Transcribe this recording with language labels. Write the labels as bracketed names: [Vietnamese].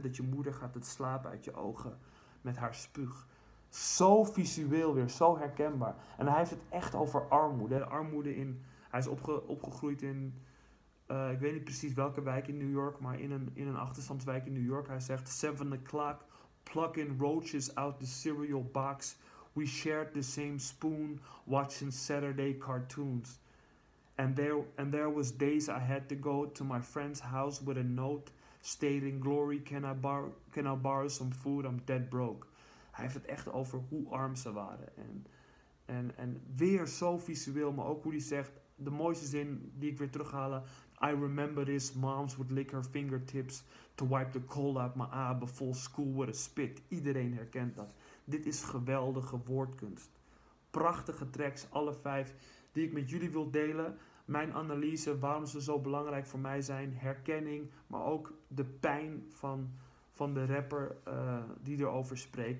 [Dutch] Dat je moeder gaat het slapen uit je ogen met haar spuug. Zo visueel weer, zo herkenbaar. En hij heeft het echt over armoede. Hè? Armoede in, hij is opgegroeid in, ik weet niet precies welke wijk in New York, maar in een achterstandswijk in New York. Hij zegt, [English] 7 o'clock, plucking roaches out the cereal box. We shared the same spoon, watching Saturday cartoons. And there was days I had to go to my friend's house with a note. State in glory, can I borrow some food, I'm dead broke. [Dutch] Hij heeft het echt over hoe arm ze waren. En weer zo visueel, maar ook hoe hij zegt, de mooiste zin die ik weer terughalen. [English] I remember this, moms would lick her fingertips to wipe the cold out my eye before school with a spit. [Dutch] Iedereen herkent dat. Dit is geweldige woordkunst. Prachtige tracks, alle 5, die ik met jullie wil delen. Mijn analyse, waarom ze zo belangrijk voor mij zijn, herkenning, maar ook de pijn van de rapper die erover spreekt.